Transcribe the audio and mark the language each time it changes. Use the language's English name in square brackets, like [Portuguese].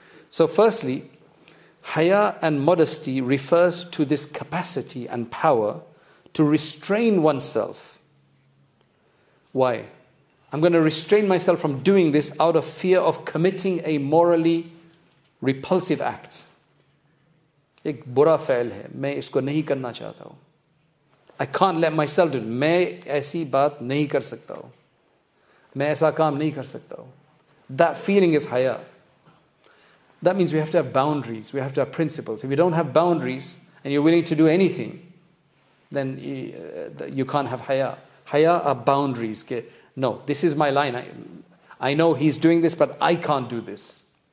[English] So firstly, haya and modesty refers to this capacity and power to restrain oneself. Why? I'm going to restrain myself from doing this out of fear of committing a morally repulsive act. [Urdu] ایک برا فعل ہے۔ میں اس کو نہیں کرنا چاہتا ہوں۔ [English] I can't let myself do it. [Urdu] میں ایسی بات نہیں کر سکتا ہوں۔ میں ایسا کام نہیں کر سکتا ہوں۔ [English] That feeling is haya. That means we have to have boundaries. We have to have principles. If you don't have boundaries and you're willing to do anything, then you can't have haya. Haya are boundaries. No, this is my line. I know he's doing this, but I can't do this.